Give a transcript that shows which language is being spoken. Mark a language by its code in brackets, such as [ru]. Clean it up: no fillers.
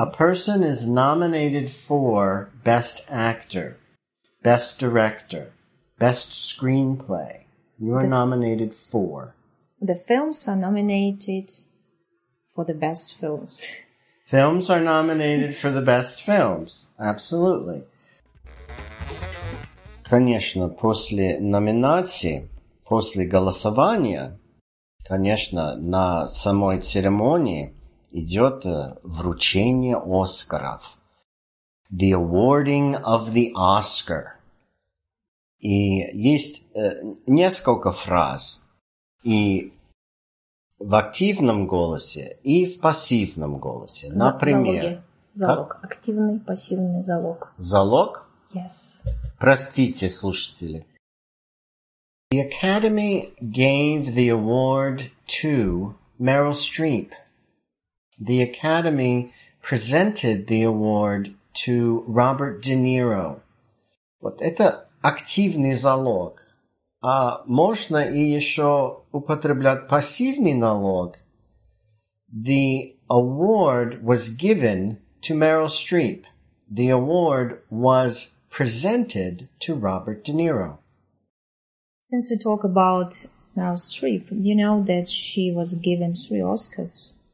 [en] A person is nominated for best actor, best director, best screenplay. You are nominated for. The films are nominated for the best films. Films are nominated for the best films. Absolutely. [ru] Конечно, после номинации, после голосования, конечно, на самой церемонии идет вручение Оскаров. [en] The awarding of the Oscar. [ru] И есть несколько фраз. И в активном голосе, и в пассивном голосе. Например. Залог. Как? Активный, пассивный залог. Залог? [en] Yes. [ru] Простите, слушатели. [en] The Academy gave the award to Meryl Streep. The Academy presented the award to Robert De Niro. [ru] Вот это активный залог. А можно и еще употреблять пассивный налог. [en] The award was given to Meryl Streep. The award was presented to Robert De Niro. Since we talk about Meryl Streep, do you know that she was given 3 Oscars?